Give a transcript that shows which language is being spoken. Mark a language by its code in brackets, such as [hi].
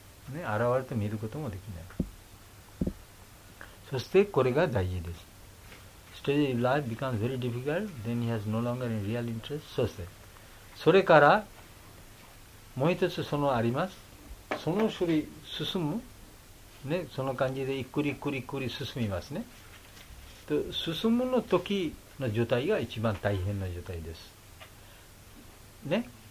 [ja] ね、現れて見ることもできない。そして、これが大事です。 [en] Study life becomes very difficult, then he has no longer any real interest. [ja] そして、それから、もう一つそのあります。その処理進む。ね、その感じで、ゆっくりゆっくりゆっくり進みますね。と、進むの時の状態が一番大変な状態です。ね。